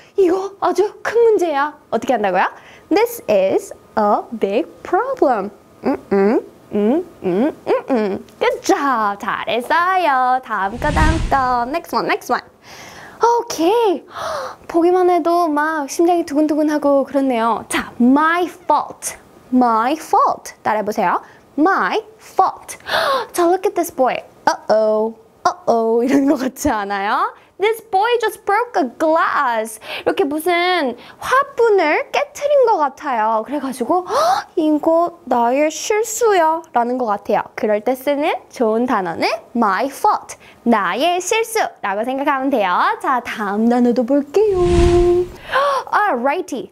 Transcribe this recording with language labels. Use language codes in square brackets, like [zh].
[ko] 이거 아주 큰 문제야. 어떻게 한다고요? [en] This is a big problem. 굿 job. [ko] 잘했어요. 다음 거 다음 거. [en] Next one. Next one. 오케이. [ko] 보기만 해도 막 심장이 두근두근하고 그렇네요. [en] 자, my fault. My fault. [ko] 따라해보세요. [en] My fault. 자, look at this boy. Uh-oh. Uh-oh. [ko] 이런 것 같지 않아요? [en] This boy just broke a glass. [ko] 이렇게 무슨 화분을 깨트린 것 같아요. 그래가지고 이거 나의 실수야 라는 것 같아요. 그럴 때 쓰는 좋은 단어는 my fault, 나의 실수라고 생각하면 돼요. 자, 다음 단어도 볼게요. Alrighty.